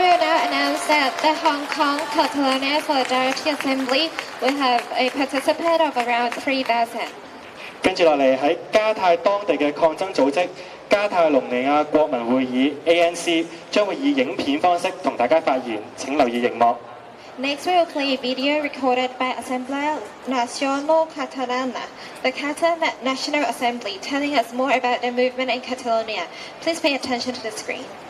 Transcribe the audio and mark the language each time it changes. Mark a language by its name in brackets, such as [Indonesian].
[English] will now announce that the Hong Kong Catalonia Solidarity Assembly will have a participant of around 3,000. [Cantonese] 跟住落嚟喺加泰當地嘅抗爭組織加泰隆尼亞國民會議 ANC 將會以影片方式同大家發言，請留意熒幕。 [English] Next, we will play a video recorded by Assemblea Nacional Catalana, the Catalan National Assembly, telling us more about the movement in Catalonia. Please pay attention to the screen.